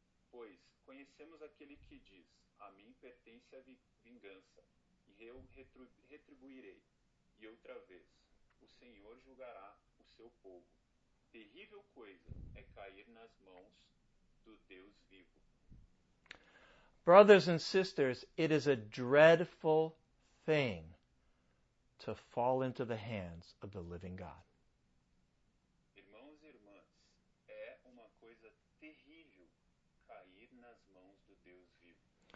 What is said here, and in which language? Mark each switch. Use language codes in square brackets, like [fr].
[pt] Pois conhecemos aquele que diz: a mim pertence a vingança, e eu retribuirei. E outra vez, o Senhor julgará o seu povo. Terrível coisa é cair nas mãos do Deus vivo. [en] Brothers and sisters, it is a dreadful thing to fall into the hands of the living God. [pt] Irmãos e irmãs, é uma coisa terrível cair nas mãos do Deus vivo.